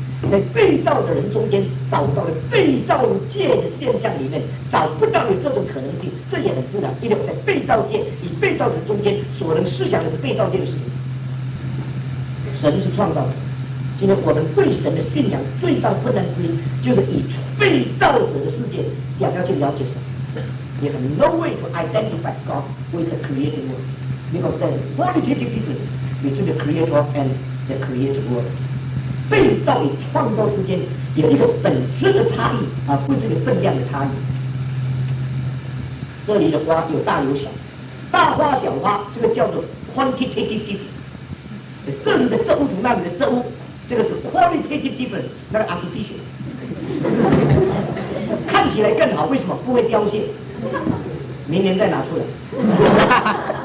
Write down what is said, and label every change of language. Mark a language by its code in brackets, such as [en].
[zh] 在被造的人中间找到了被造界的现象里面找不到有这种可能性，这也很自然，因为在被造界与被造者中间所能思想的是被造界的事情。神是创造者，今天我们对神的信仰最大困难之一就是以被造者的世界想要去了解神。 [en] You have no way to identify God with the created world because there is qualitative difference between the creator and the created world。 [zh] 被造与创造之间有一个本质的差异，而不是一个分量的差异。这里的花有大有小，大花小花，这个叫做 [en] quantitative difference。 [zh] 这里的植物同那里的植物，这个是 [en] qualitative difference， [zh] 那个 [en] artificial， [zh] 看起来更好，为什么？不会凋谢，明年再拿出来。